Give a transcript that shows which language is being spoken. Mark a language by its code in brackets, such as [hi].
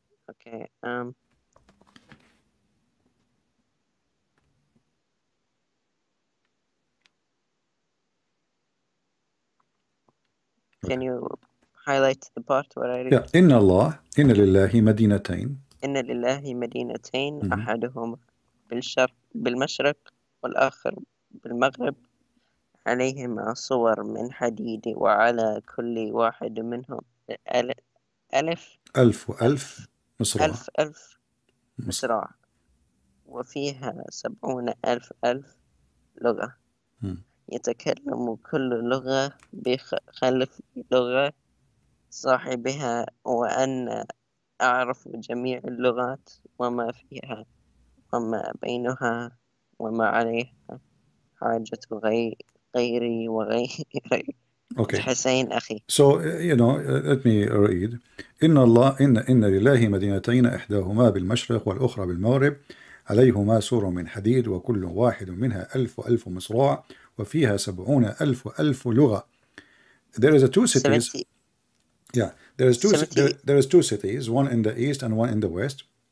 [en] Okay, Can you highlight the part where I Yeah, read? [ar] inna Allah, inna lillahi madinatayn. إن لله مدينتين أحدهما بالشرق بالمشرق والآخر بالمغرب عليهما صور من حديد وعلى كل واحد منهم ألف ألف وألف ألف مصراع ألف ألف مصراع وفيها 70,000 لغة يتكلم كل لغة بخلف لغة صاحبها وأن أعرف جميع اللغات وما فيها وما بينها وما عليها حاجة غيري وغيري [en] Okay, [ar] الحسين أخي. [en] so let me read. [ar] إن الله إن لله مدينتين إحداهما بالمشرق والأخرى بالمغرب عليهما سور من حديد وكل واحد منها ألف وألف مصراع وفيها 70,000 لغة. [en] There is a two cities. Seventy Yeah, there is two seventy there is two cities, one in the east and one in the west,